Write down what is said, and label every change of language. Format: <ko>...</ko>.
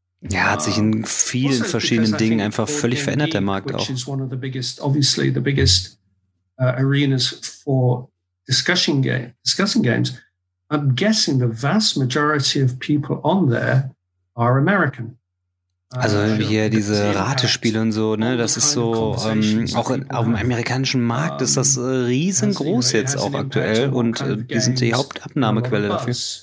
<de>Ja, hat sich in vielen verschiedenen Dingen einfach völlig verändert, der Markt auch.</de> <en>Which is one of the biggest, obviously the biggest arenas for discussing games. I'm guessing the vast majority of people on there are American.</en> <de>Also hier diese Ratespiele und so, ne, das ist so, auch auf dem amerikanischen Markt ist das riesengroß jetzt auch aktuell und die sind die Hauptabnahmequelle dafür.</de>